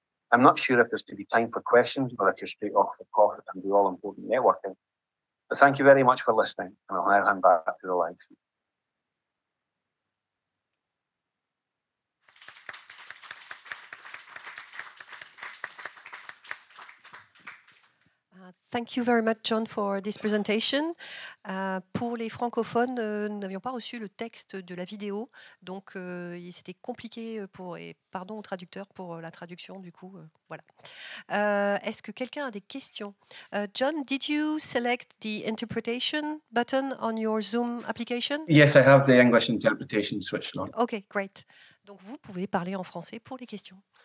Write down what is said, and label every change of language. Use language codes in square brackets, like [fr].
[en] I'm not sure if there's to be time for questions or if you're straight off the call and do all important networking, but thank you very much for listening, and I'll now hand back to the live feed. Uh, Thank you very much, John, for this presentation. [fr] Pour les francophones, nous n'avions pas reçu le texte de la vidéo, donc c'était compliqué pour, et pardon au traducteur pour la traduction, du coup, voilà. Est-ce que quelqu'un a des questions? [en] John, did you select the interpretation button on your Zoom application? Yes, I have the English interpretation switched on. Okay, great. [fr] Donc vous pouvez parler en français pour les questions.